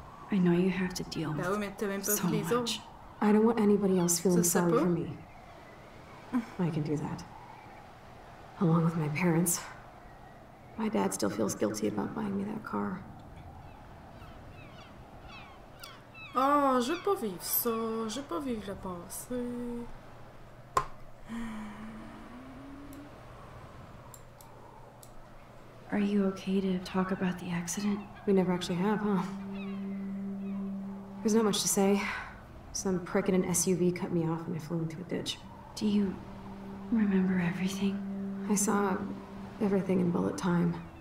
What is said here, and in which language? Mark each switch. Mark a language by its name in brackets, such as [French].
[English] I know you have to deal with so much. I don't want anybody else feeling sorry for me. I can do that. Along with my parents. My dad still feels guilty about buying me that car. [French] Oh, je veux pas vivre ça, je veux pas vivre le passé. [English] Are you okay to talk about the accident? We never actually have, huh? There's not much to say. Some prick in an SUV cut me off and I flew into a ditch. Do you remember everything? I saw everything in bullet time.